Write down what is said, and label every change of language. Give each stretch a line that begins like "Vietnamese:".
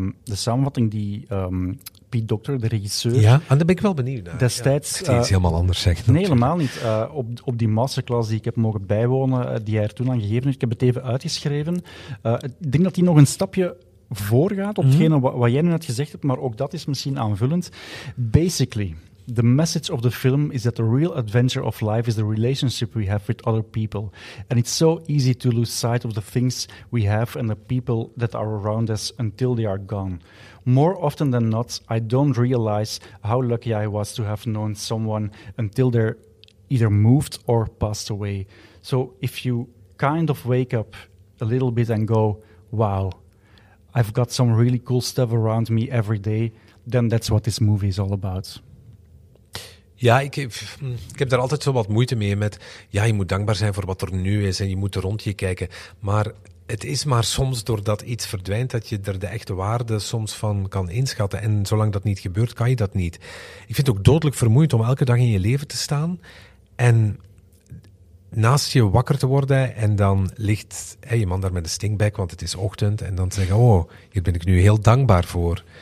Dutch: De samenvatting die Pete Docter, de regisseur... Ja, en daar ben ik wel benieuwd naar. Destijds... Ja, iets helemaal anders zeggen. Nee, helemaal niet. Op die masterclass die ik heb mogen bijwonen, die hij er toen aan gegeven heeft, ik heb het even uitgeschreven. Ik denk dat hij nog een stapje voorgaat op hetgene wat jij net gezegd hebt, maar ook dat is misschien aanvullend.
English: Basically, the message of the film is that the real adventure of life is the relationship we have with other people. And it's so easy to lose sight of the things we have and the people that are around us until they are gone. More often than not, I don't realize how lucky I was to have known someone until they're either moved or passed away. So if you kind of wake up a little bit and go, wow, I've got some really cool stuff around me every day, then that's what this movie is all about.
Dutch: Ja, ik heb daar altijd zo wat moeite mee met, ja, je moet dankbaar zijn voor wat er nu is en je moet er rond je kijken, maar... Het is maar soms doordat iets verdwijnt dat je er de echte waarde soms van kan inschatten. En zolang dat niet gebeurt, kan je dat niet. Ik vind het ook dodelijk vermoeiend om elke dag in je leven te staan en naast je wakker te worden en dan ligt je man daar met een stinkbek, want het is ochtend, en dan zeggen, oh, hier ben ik nu heel dankbaar voor.